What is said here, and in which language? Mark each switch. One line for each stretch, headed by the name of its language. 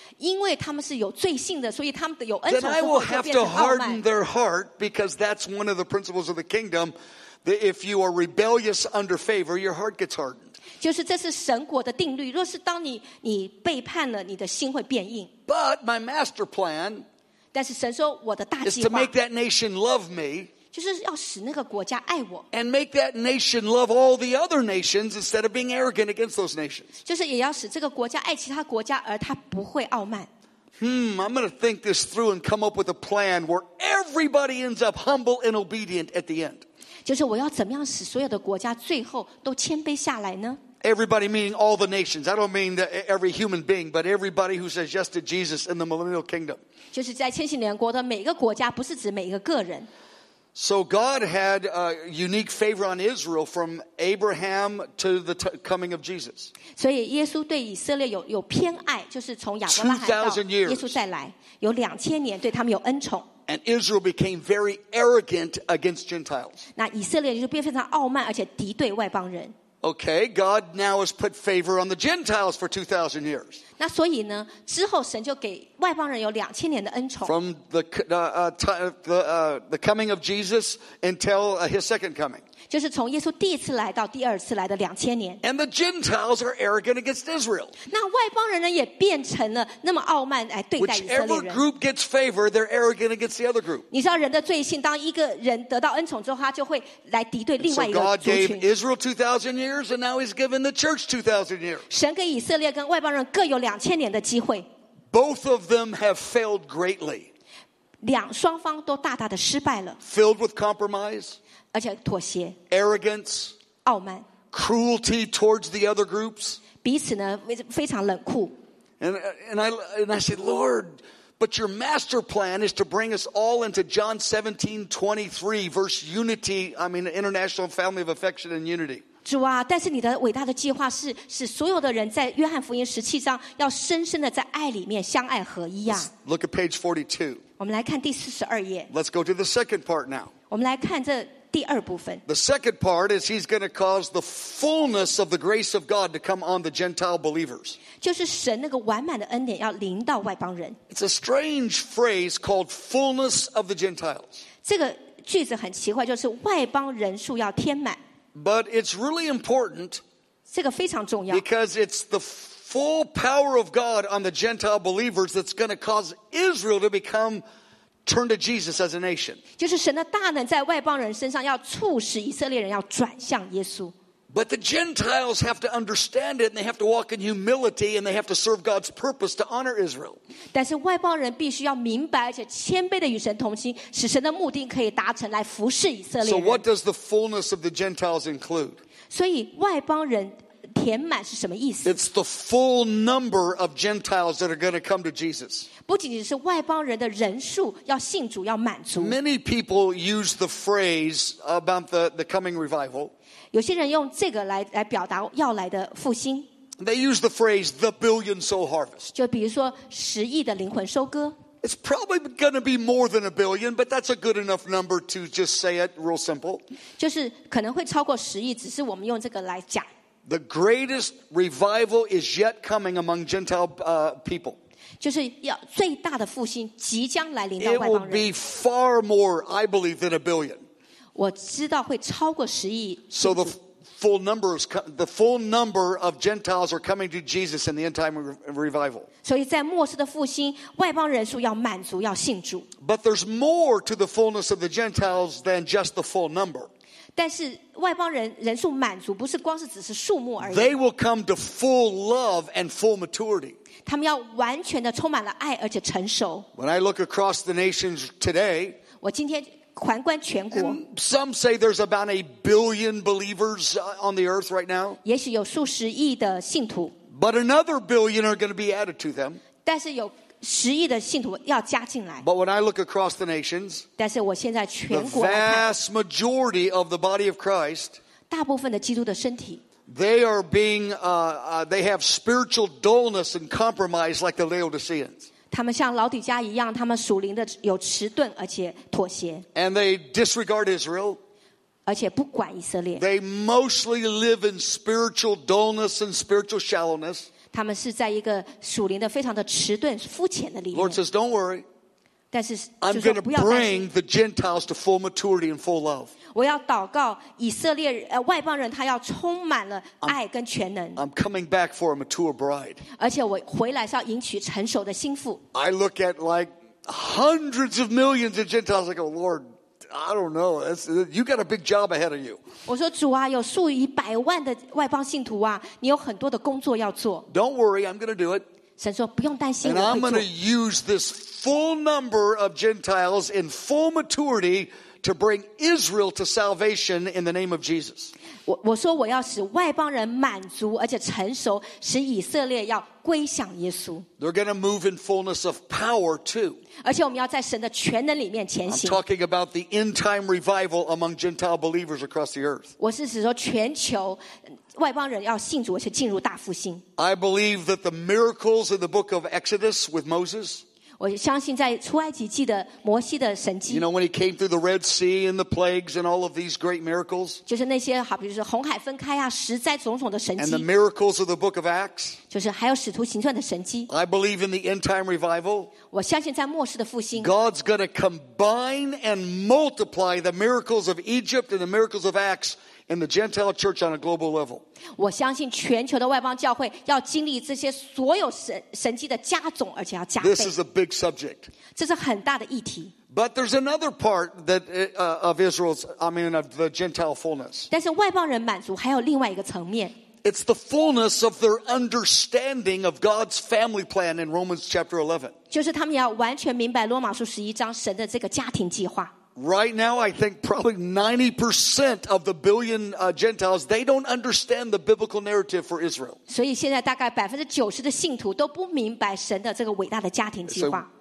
Chinese: 因为他们是有罪性的，所以他们有恩宠之后就变得傲慢。
English: Then I will have to harden their heart because that's one of the principles of the kingdom. That if you are rebellious under favor, your heart gets hardened.
Chinese: 就是这是神国的定律，若是当你背叛了，你的心会变硬。
English: But my master plan,
Chinese: 但是神说我的大计划
English: is to make that nation love me,
Chinese: 就是要使那个国家爱我。
English: And make that nation love all the other nations instead of being arrogant against those nations.
Chinese: 就是也要使这个国家爱其他国家，而他不会傲慢。
English: I'm going to think this through and come up with a plan where everybody ends up humble and obedient at the end.
Chinese: 就是我要怎么样使所有的国家最后都谦卑下来呢？
English: Everybody meaning all the nations. I don't mean every human being, but everybody who says yes to Jesus in the millennial kingdom.
Chinese: 就是在千禧年国的每一个国家，不是指每一个个人。
English: So God had a unique favor on Israel from Abraham to the coming of Jesus.
Chinese: 所以耶稣对以色列有偏爱，就是从亚伯拉罕到
English: 2,000 years.
Chinese: 耶稣再来，有两千年对他们有恩宠。
English: And Israel became very arrogant against Gentiles.
Chinese: 那以色列就变非常傲慢，而且敌对外邦人。
English: Okay, God now has put favor on the Gentiles for 2,000 years.
Chinese: 那所以呢，之后神就给外邦人有两千年的恩宠。
English: From the coming of Jesus until his second coming.
Chinese: 就是从耶稣第一次来到第二次来的两千年。
English: And the Gentiles are arrogant against Israel.
Chinese: 那外邦人呢也变成了那么傲慢来对待以色列人。
English: Whichever group gets favor, they're arrogant against the other group.
Chinese: 你知道人的罪性，当一个人得到恩宠之后，他就会来敌对另外一个族群。
English: So God gave Israel 2,000 years, and now He's given the church 2,000 years.
Chinese: 神给以色列跟外邦人各有两千年的机会。
English: Both of them have failed greatly.
Chinese: 两双方都大大的失败了。
English: Filled with compromise.
Chinese: 而且妥协。
English: Arrogance.
Chinese: 傲慢。
English: Cruelty towards the other groups.
Chinese: 彼此呢非常冷酷。
English: And I said, Lord, but your master plan is to bring us all into John 17:23 verse unity. I mean, international family of affection and unity.
Chinese: 主啊，但是你的伟大的计划是使所有的人在约翰福音十七章要深深的在爱里面相爱合一啊。
English: Look at page 42.
Chinese: 我们来看第四十二页。
English: Let's go to the second part now.
Chinese: 我们来看这第二部分。
English: The second part is he's going to cause the fullness of the grace of God to come on the Gentile believers.
Chinese: 就是神那个完满的恩典要临到外邦人。
English: It's a strange phrase called fullness of the Gentiles.
Chinese: 这个句子很奇怪，就是外邦人数要填满。
English: But it's really important because it's the full power of God on the Gentile believers that's going to cause Israel to become turned to Jesus as a nation.
Chinese: 就是神的大能在外邦人身上要促使以色列人要转向耶稣。
English: But the Gentiles have to understand it and they have to walk in humility and they have to serve God's purpose to honor Israel.
Chinese: 但是外邦人必须要明白而且谦卑地与神同心，使神的目的可以达成，来服侍以色列人。
English: So what does the fullness of the Gentiles include?
Chinese: 所以外邦人填满是什么意思？
English: It's the full number of Gentiles that are going to come to Jesus.
Chinese: 不仅仅是外邦人的人数要信主要满足。
English: Many people use the phrase about the coming revival.
Chinese: 有些人用这个 来表达要来的复兴。
English: They use the phrase the billion soul harvest.
Chinese: 就比如说十亿的灵魂收割。
English: It's probably going to be more than a billion, but that's a good enough number to just say it real simple.
Chinese: 就是可能会超过十亿，只是我们用这个来讲。
English: The greatest revival is yet coming among Gentile people.
Chinese: 就是要最大的复兴即将来临到外邦人。
English: It will be far more, I believe, than a billion.
Chinese: 我知道会超过十亿。
English: So the full number of Gentiles are coming to Jesus in the end time revival.
Chinese: 所以在末世的复兴，外邦人数要满足，要信主。
English: But there's more to the fullness of the Gentiles than just the full number.
Chinese: 但是外邦人人数满足，不是光是只是数目而已。
English: They will come to full love and full maturity.
Chinese: 他们要完全的充满了爱，而且成熟。
English: When I look across the nations today,
Chinese: 我今天。环观全国。
English: And some say there's about a billion believers on the earth right now.
Chinese: 也许有数十亿的信徒。
English: But another billion are going to be added to them.
Chinese: 但是有十亿的信徒要加进来。
English: But when I look across the nations,
Chinese: 但是我现在全国来看。
English: The vast majority of the body of Christ,
Chinese: 大部分的基督的身体。
English: They are being, they have spiritual dullness and compromise like the Laodiceans.
Chinese: 他们像老底家一样，他们属灵的有迟钝，而且妥协。
English: And they disregard Israel.
Chinese: 而且不管以色列。
English: They mostly live in spiritual dullness and spiritual shallowness.
Chinese: 他们是在一个属灵的非常的迟钝、肤浅的里面。
English: Lord says, "Don't worry."
Chinese: 但是
English: I'm going to bring the Gentiles to full maturity and full love.
Chinese: 我要祷告以色列外邦人，他要充满了爱跟全能。
English: I'm coming back for a mature bride.
Chinese: 而且我回来是要迎娶成熟的心腹。
English: I look at like hundreds of millions of Gentiles. I go, Lord, I don't know. You got a big job ahead of you.
Chinese: 我说主啊，有数以百万的外邦信徒啊，你有很多的工作要做。
English: Don't worry, I'm going to do it.
Chinese: 神说不用担心
English: And I'm going to use this full number of Gentiles in full maturity to bring Israel to salvation in the name of Jesus.
Chinese: 我说我要使外邦人满足而且成熟，使以色列要归向耶稣。
English: They're going to move in fullness of power too.
Chinese: 而且我们要在神的全能里面前行。
English: I'm talking about the end time revival among Gentile believers across the earth.
Chinese: 我是指说全球。外邦人要信主，而且进入大复兴。
English: I believe that the miracles in the book of Exodus with Moses.
Chinese: 我相信在出埃及记的摩西的神迹。
English: You know, when he came through the Red Sea and the plagues and all of these great miracles.
Chinese: 就是那些好比如说红海分开啊，实在种种的神迹。
English: And the miracles of the book of Acts.
Chinese: 就是还有使徒行传的神迹。
English: I believe in the end time revival.
Chinese: 我相信在末世的复兴。
English: God's going to combine and multiply the miracles of Egypt and the miracles of Acts. And the Gentile church on a global level.
Chinese: 我相信全球的外邦教会要经历这些所有神迹的加种，而且要加倍。
English: This is a big subject.
Chinese: 这是很大的议题。
English: But there's another part that of Israel's, I mean, of the Gentile fullness.
Chinese: 但是外邦人满足还有另外一个层面。
English: It's the fullness of their understanding of God's family plan in Romans chapter 11.
Chinese: 就是他们要完全明白罗马书十一章神的这个家庭计划。
English: Right now, I think probably 90% of the billion Gentiles, they don't understand the biblical narrative for Israel. So,
Chinese: 现在大概90%的信徒都不明白神的这个伟大的家庭计划。